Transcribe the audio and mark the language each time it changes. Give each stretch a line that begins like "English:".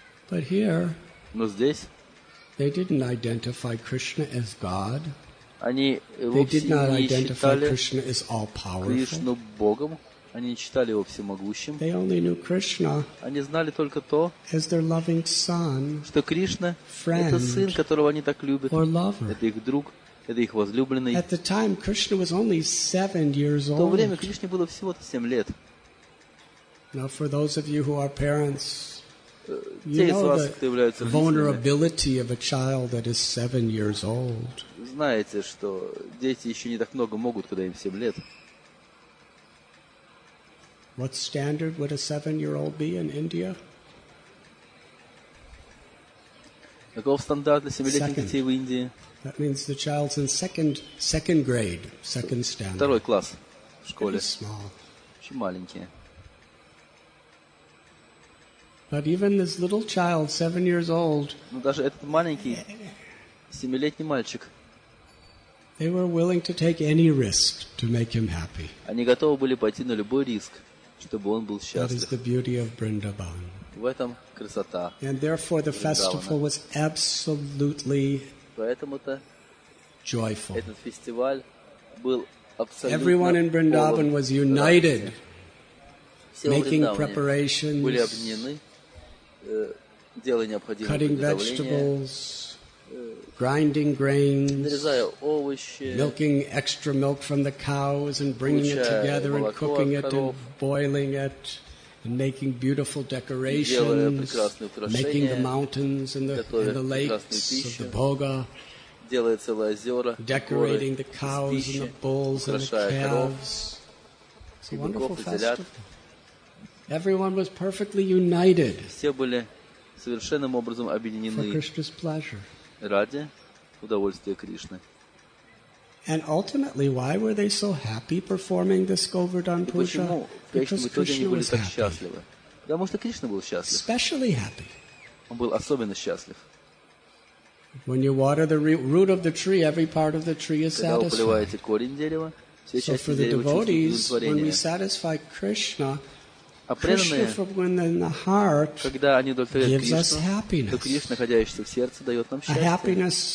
Russian: Но здесь они вовсе не считали Кришну Богом, Они не читали его всемогущим.
English: They only knew Krishna.
Russian: Они знали только то,
English: as their loving son,
Russian: что Кришна
English: friend,
Russian: это сын, которого они так любят. Это их друг, это их возлюбленный.
English: At the time, Krishna was only 7 years old.
Russian: В то время Кришне было всего-то 7 лет.
English: Now for those of you who are parents,
Russian: те из вас, кто является родителями, знаете, что дети еще не так много могут, когда им 7 лет.
English: What standard would a 7-year-old be in India?
Russian: Каков стандарт для 7-летних детей в Индии?
English: That means the child's in second grade, second standard.
Russian: Второй класс в школе.
English: Small.
Russian: Очень маленькие.
English: But even this little child, 7 years old,
Russian: но даже этот маленький 7-летний мальчик,
English: they were willing to take any risk to make him happy.
Russian: Они готовы были пойти на любой риск, чтобы он был счастлив.
English: That is the beauty of Vrindavan.
Russian: В этом красота.
English: And therefore the festival was absolutely joyful.
Russian: Этот фестиваль был абсолютно.
English: Everyone in Vrindavan was united, making preparations,
Russian: были объединены, делая необходимые приготовления,
English: grinding grains,
Russian: нарезая овощи,
English: milking extra milk from the cows and bringing it together and cooking it and boiling it and making beautiful decorations, making the mountains and the lakes of the Bhoga,
Russian: делая целые озера,
English: decorating the cows and the bulls and the calves. It's a wonderful festival. Everyone was perfectly united.
Russian: Все были совершенным образом объединены ради удовольствия Кришны.
English: And ultimately, why were they so happy performing this Govardhan Puja?
Russian: Почему Кришна был так счастлив? Потому что Кришна был счастлив.
English: Especially happy.
Russian: Он был особенно счастлив.
English: When you water the root of the tree, every part of the tree is satisfied.
Russian: Когда вы поливаете корень дерева, все части дерева чувствуют удовлетворение.
English: So for the devotees, when we satisfy Krishna,
Russian: а преданные, когда они удовлетворяют то Кришна, находящийся в сердце, дает нам счастье.